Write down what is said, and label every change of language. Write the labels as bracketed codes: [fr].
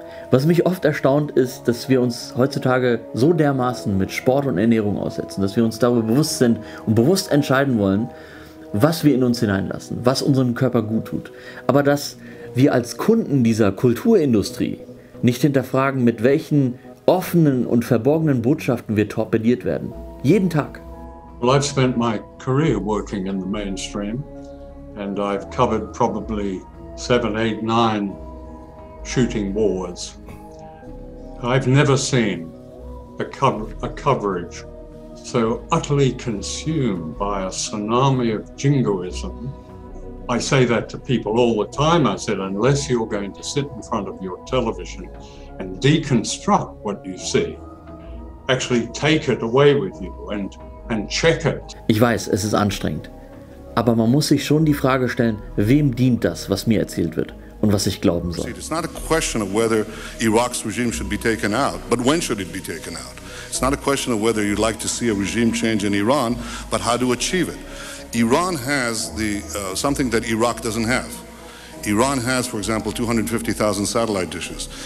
[de] Was mich oft erstaunt ist, dass wir uns heutzutage so dermaßen mit Sport und Ernährung aussetzen, dass wir uns darüber bewusst sind und bewusst entscheiden wollen, was wir in uns hineinlassen, was unserem Körper gut tut. Aber dass wir als Kunden dieser Kulturindustrie nicht hinterfragen, mit welchen offenen und verborgenen Botschaften wir torpediert werden. Jeden Tag. [en] Well, I've spent my career working in the mainstream and I've covered probably 7, 8, 9 shooting wars. I've never seen a coverage so utterly consumed by a tsunami of jingoism. I say that to people all the time. I said, unless you're going to sit in front of your television and deconstruct what you see, actually take it away with you and check it. [de] Ich weiß, es ist anstrengend. Aber man muss sich schon die Frage stellen, wem dient das, was mir erzählt wird und was ich glauben soll. [en] It's not a question of whether Iraq's regime should be taken out, but when should it be taken out? It's not a question of whether you'd like to see a regime change in Iran, but how to achieve it. Iran has something that Iraq doesn't have. Iran has, for example, 250,000 satellite dishes.